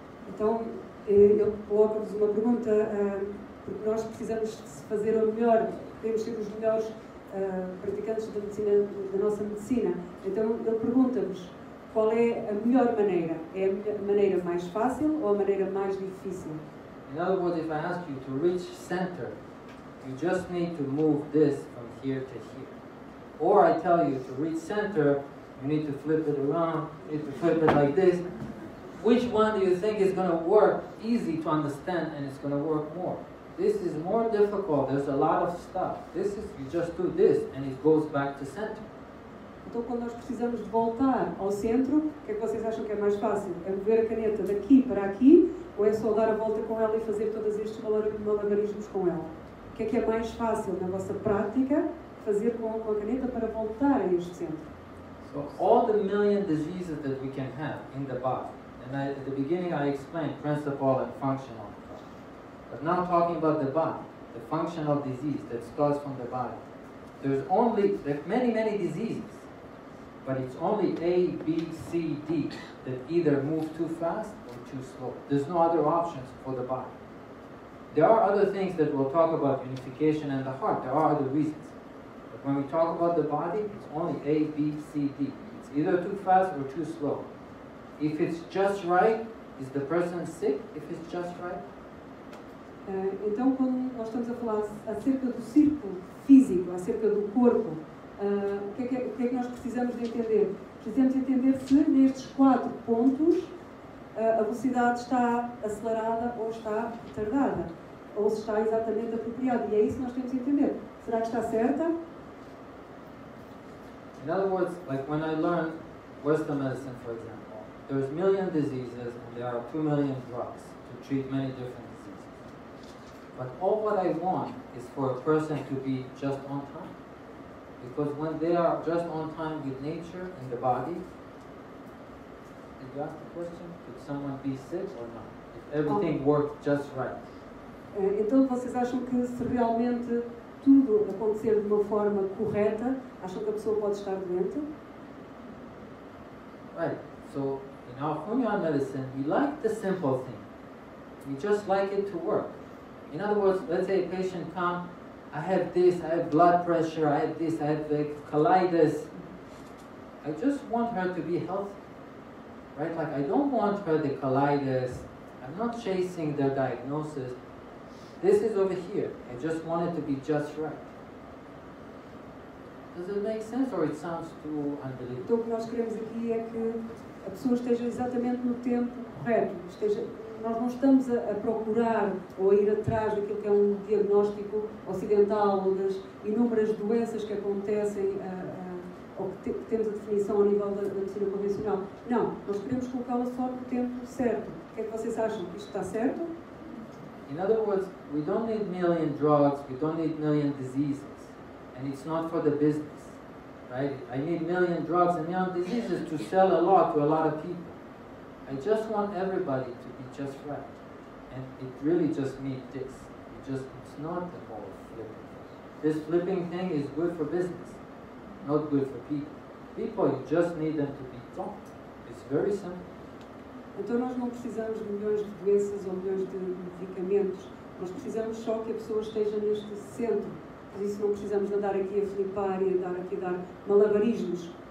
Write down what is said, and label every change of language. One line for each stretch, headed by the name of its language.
Portuguese: Então, eu coloco-vos uma pergunta, porque nós precisamos fazer o melhor, podemos ser os melhores praticantes da medicina, da nossa medicina. Então, ele pergunta-vos qual é a melhor maneira, é a maneira mais fácil ou a maneira mais difícil?
English: In other words, if I ask you to reach center, you just need to move this from here to here. Or I tell you to reach center, you need to flip it around, you need to flip it like this. Which one do you think is going to work easy to understand and it's going to work more? This is more difficult, there's a lot of stuff. This is, you just do this and it goes back to center.
Portuguese: Então, quando nós precisamos de voltar ao centro, o que é que vocês acham que é mais fácil? É mover a caneta daqui para aqui ou é só dar a volta com ela e fazer todos estes malabarismos com ela? O que é mais fácil na vossa prática fazer com a caneta para voltar a este centro?
English: So all the million diseases that we can have in the body, and I, at the beginning I explained principle and function of the body. But now talking about the body, the functional disease that starts from the body. There's only, there are many, many diseases, but it's only A, B, C, D that either move too fast or too slow. There's no other options for the body. There are other things that we'll talk about, unification and the heart, there are other reasons. When we talk about the body, it's only A, B, C, D. It's either too fast or too slow. If it's just right, is the person sick if it's just right?
Portuguese: Então, quando nós estamos a falar acerca do círculo físico, acerca do corpo, o que é que nós precisamos de entender? Precisamos entender se nestes quatro pontos a velocidade está acelerada ou está retardada, ou se está exatamente apropriada. E é isso que nós temos de entender. Será que está certa?
English: In other words, like when I learned Western medicine, for example, there's a million diseases and there are 2 million drugs to treat many different diseases. But all what I want is for a person to be just on time. Because when they are just on time with nature and the body, did you ask the question, could someone be sick or not? If everything worked just right.
Portuguese: Então, vocês acham que se realmente tudo acontecer de uma forma correta, acham que a pessoa pode estar doente? Right.
English: So, in our Hunyuan medicine, we like the simple thing. We just like it to work. In other words, let's say a patient comes, I have this, I have blood pressure, I have this, I have like colitis. I just want her to be healthy. Right? Like, I don't want her the colitis. I'm not chasing their diagnosis. This is over here. I just want it to be just right. Does it make sense or it sounds too unbelievable?
Portuguese: Então, o que nós queremos aqui é que a pessoa esteja exatamente no tempo correto. Nós não estamos a procurar ou a ir atrás daquilo que é um diagnóstico ocidental das inúmeras doenças que acontecem ou que temos a definição a nível da medicina convencional. Não, nós queremos colocá-la só no tempo certo. O que é que vocês acham? Isto está certo?
English: In other words, we don't need million drugs, we don't need million diseases. And it's not for the business, right? I need million drugs and million diseases to sell a lot to a lot of people. I just want everybody to be just right. And it really just means this. It's not the whole flipping thing. This flipping thing is good for business, not good for people. People, you just need them to be taught. It's very simple.
Portuguese: Então nós não precisamos de milhões de doenças ou milhões de medicamentos. Nós precisamos só que a pessoa esteja neste centro. Por isso não precisamos andar aqui a flipar e andar aqui a dar malabarismos.